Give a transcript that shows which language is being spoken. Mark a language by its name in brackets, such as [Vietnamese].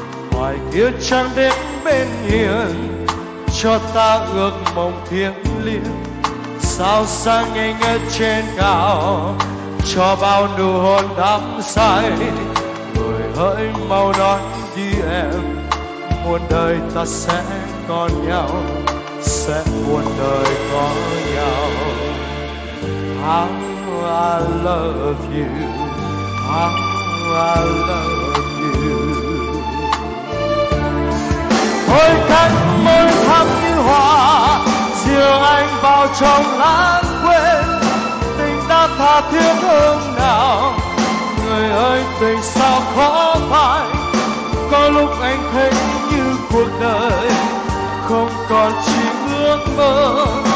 [Vietnamese] Ngoài kia trăng đến bên hiền cho ta ước mộng thiêng liêng, sao sáng ngây ngất trên cao cho bao nụ hôn đắm say. Người hỡi mau nói đi em, muôn đời ta sẽ còn nhau, sẽ muôn đời có nhau. [English] How I love you, how I love you. [Vietnamese] Môi cánh môi thắm như hoa, dìu anh vào trong lãng quên. Tình ta tha thiết hôm nào, người ơi tình sao khó phai. Có lúc anh thấy như cuộc đời không còn chỉ ước mơ.